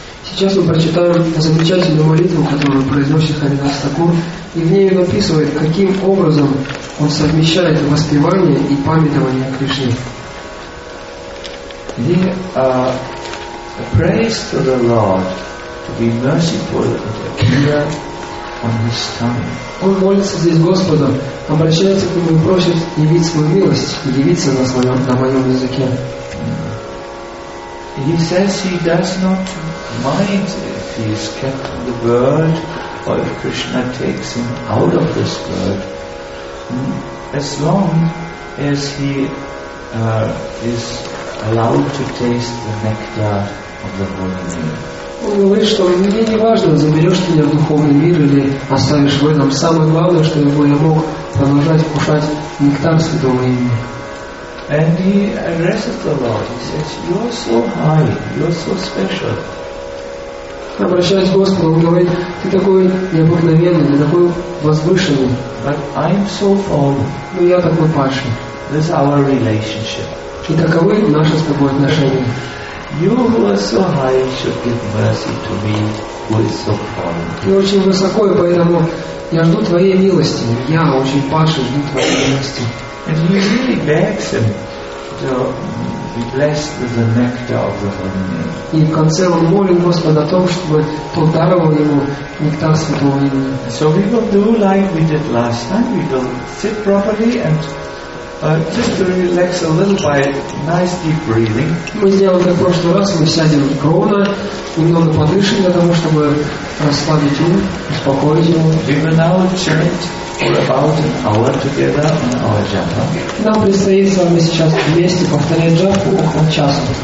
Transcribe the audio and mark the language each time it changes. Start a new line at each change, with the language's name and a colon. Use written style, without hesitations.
Russian: Сейчас мы прочитаем замечательную молитву, которую произносит Харидас Такур, и в ней он описывает, каким образом он совмещает воспевание и памятование Кришны.
English: He prays to the Lord to be merciful and appear on His tongue.
Russian: Он молится здесь Господу, обращается к Нему и просит явить свою милость и явиться на моем языке.
English: He says he does not mind if he is kept in the world or if Krishna takes him out of this world, as long as he is allowed to taste the nectar of the holy name.
Russian: Он говорит, что мне не важно, заберешь ты меня в духовный мир или оставишь в этом. Самое главное, чтобы я мог продолжать кушать нектар святого имени.
English: And he addresses the Lord. He says, "You are so high. You are so special."
Russian: Обращаясь к Господу, он говорит, ты такой необыкновенный, ты такой возвышенный.
English: But I'm so fallen.
Russian: Ну, я такой падший.
English: This is our relationship.
Russian: И таковы наши с тобой отношения.
English: You who are so high should give mercy to me who is so fallen.
Russian: Ты очень высоко, и поэтому я жду твоей милости. Я очень падший, жду твоей милости.
English: And he really begs him to be blessed with the nectar of the holy name.
Russian: И в конце он молит Господа о том, чтобы тот даровал ему нектар святого имени.
English: So we will do like we did last time. We will sit properly and just to relax a little by nice deep breathing.
Russian: Мы сделаем как в прошлый раз. Мы сядем ровно, немного подышим для того, чтобы расслабить ум, успокоить его.
English: We will now chant for about an hour together on our japa.
Russian: Нам предстоит с вами сейчас вместе повторять джапу около часа.